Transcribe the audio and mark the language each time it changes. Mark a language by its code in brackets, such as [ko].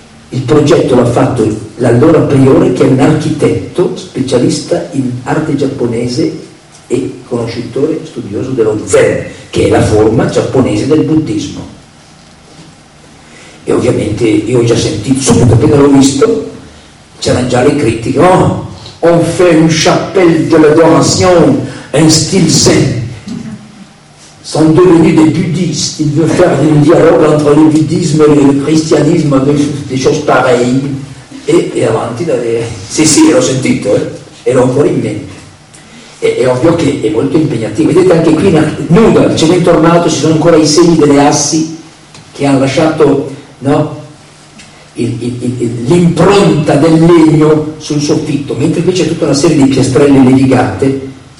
[it] Il progetto l'ha fatto l'allora priore, che è un architetto specialista in arte giapponese e conoscitore studioso dello Zen, che è la forma giapponese del buddismo. E ovviamente io ho già sentito, subito appena l'ho visto, c'erano già le critiche: oh, [fr] on fait une chapelle de l'adoration en style Zen. Sont devenus des buddhistes, ils veulent faire un dialogue entre le buddhisme et le christianisme, avec des choses pareilles. [it] Et avanti, sì, sì, l'ho sentito, eh? E l'ho ancora in mente. E, è ovvio che è molto impegnativo. Vedete anche qui, nudo, il cemento armato, ci sono ancora i segni delle assi che hanno lasciato, no, l'impronta del legno sul soffitto, mentre invece c'è tutta una serie di piastrelle levigate.